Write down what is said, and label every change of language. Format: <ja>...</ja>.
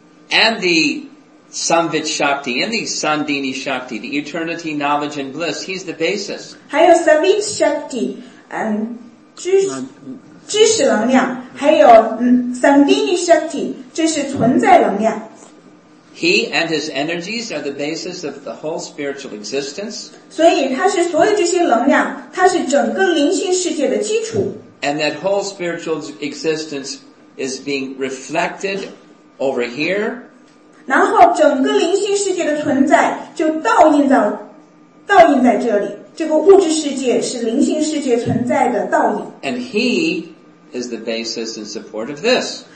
<en>And the Samvit Shakti, and the Sandini Shakti, the eternity, knowledge, and bliss, he's the basis.</en> <zh>还有 Samvit Shakti, 知识能量，还有 Sandini Shakti, 这是存在能量。</zh> <en>He and his energies are the basis of the whole spiritual existence.</en> <zh>所以他是所有这些能量，他是整个灵性世界的基础。</zh> <en>And that whole spiritual existence is being reflected over here.</en> <zh>然后整个灵性世界的存在就倒映在这里。这个物质世界是灵性世界存在的倒影。</zh> <en>And he is the basis and support of this.</en>